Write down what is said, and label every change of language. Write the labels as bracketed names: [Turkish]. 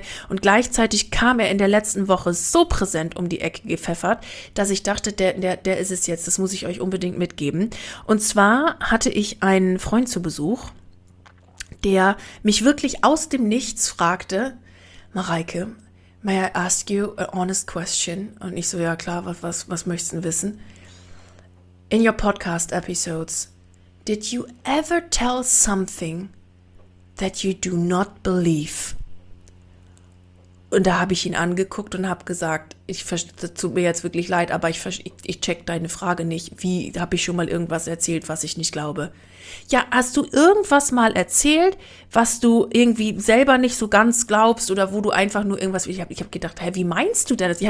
[German] Und gleichzeitig kam er in der letzten Woche so präsent um die Ecke gepfeffert, dass ich dachte, der ist es jetzt, das muss ich euch unbedingt mitgeben. Und zwar hatte ich einen Freund zu Besuch, der mich wirklich aus dem Nichts fragte, Mareike, [English] may I ask you an honest question? [German] Und ich so, ja klar, was möchtest du wissen? [English] In your podcast episodes, did you ever tell something that you do not believe? [German] Und da habe ich ihn angeguckt und habe gesagt, das tut mir jetzt wirklich leid, aber ich check deine Frage nicht. Wie, habe ich schon mal irgendwas erzählt, was ich nicht glaube? Ja, hast du irgendwas mal erzählt, was du irgendwie selber nicht so ganz glaubst oder wo du einfach nur irgendwas, ich hab gedacht, hey, wie meinst du denn das?